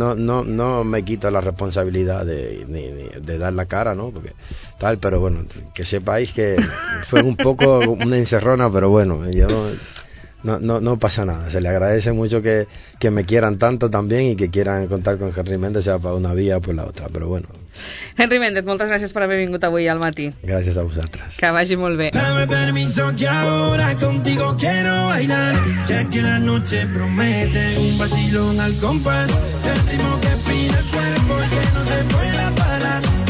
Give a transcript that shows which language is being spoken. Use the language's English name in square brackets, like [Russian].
[Spanish] No me quito la responsabilidad de dar la cara, ¿no? Porque tal, pero bueno, que sepáis que fue un poco una encerrona, pero bueno, yo... No pasa nada, se le agradece mucho que me quieran tanto también y que quieran contar con Henry Méndez, sea para una vía o por la otra, pero bueno. [Catalan] Henry Méndez, moltes gràcies per haver vingut avui al matí. Gràcies a vosaltres. Que vagi molt bé. [Spanish] Dame permiso que ahora contigo quiero bailar, ya que la noche promete un vacilón al compás, el ritmo que pide el cuerpo y que no se pueda parar.